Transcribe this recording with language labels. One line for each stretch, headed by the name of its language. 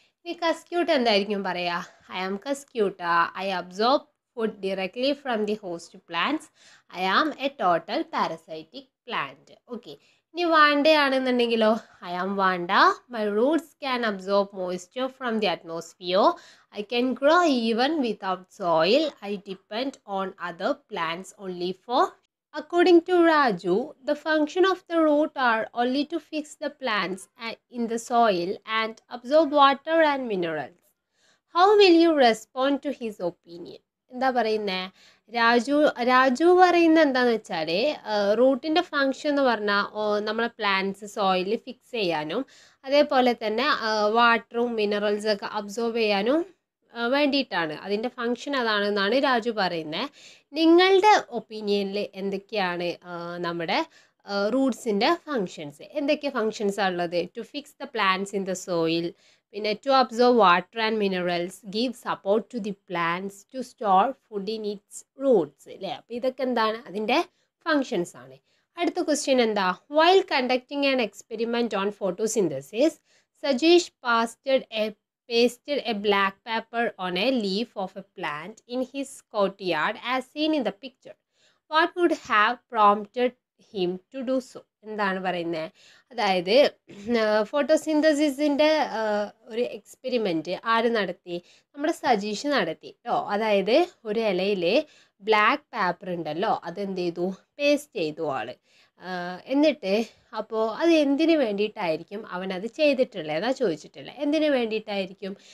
Malayalam: ഇനി കസ്ക്യൂട്ട് എന്തായിരിക്കും പറയുക,
English: I am cuscuta, I absorb food directly from the host plants, I am a total parasitic plant.
Malayalam: Okay, ഇനി വാണ്ടയാണെന്നുണ്ടെങ്കിലോ,
English: I am vanda, my roots can absorb moisture from the atmosphere, I can grow even without soil, I depend on other plants only for. According to Raju, the function of the root are only to fix the plants in the soil and absorb water and minerals. How will you respond to his opinion?
Malayalam: എന്താ പറയുന്നത്, രാജു പറയുന്ന എന്താണെന്ന് വെച്ചാൽ, റൂട്ടിൻ്റെ function എന്ന് പറഞ്ഞാൽ നമ്മളെ plants soil fix ചെയ്യാനും അതേപോലെ തന്നെ വാട്ടറും മിനറൽസ് ഒക്കെ അബ്സോർബ് ചെയ്യാനും വേണ്ടിയിട്ടാണ്, അതിൻ്റെ ഫങ്ഷൻ അതാണെന്നാണ് രാജു പറയുന്നത്. നിങ്ങളുടെ ഒപ്പീനിയനിൽ എന്തൊക്കെയാണ് നമ്മുടെ റൂട്ട്സിൻ്റെ ഫങ്ഷൻസ്, എന്തൊക്കെ ഫങ്ഷൻസ് ഉള്ളത്,
English: To fix the plants in the soil, പിന്നെ to absorb water and minerals, give support to the plants, to store food in its roots അല്ലേ.
Malayalam: അപ്പോൾ ഇതൊക്കെ എന്താണ്, അതിൻ്റെ ഫങ്ഷൻസ് ആണ്. അടുത്ത ക്വസ്റ്റ്യൻ എന്താ,
English: While conducting an experiment on photosynthesis Sajeesh pasted pasted a black paper on a leaf of a plant in his courtyard as seen in the picture. What would have prompted him to do so?
Malayalam: എന്താണ് പറയുന്നത്, അതായത് ഫോട്ടോസിന്തസിസിൻ്റെ ഒരു experiment ആര് നടത്തി, നമ്മുടെ സജീഷ് നടത്തി കേട്ടോ. അതായത് ഒരു ഇലയിൽ ബ്ലാക്ക് പേപ്പർ ഉണ്ടല്ലോ, അതെന്ത് ചെയ്തു, പേസ്റ്റ് ചെയ്തു ആള്. എന്നിട്ട് അപ്പോൾ അത് എന്തിനു വേണ്ടിയിട്ടായിരിക്കും അവൻ അത് ചെയ്തിട്ടുള്ളത് എന്നാ ചോദിച്ചിട്ടുള്ളത്, എന്തിനു വേണ്ടിയിട്ടായിരിക്കും?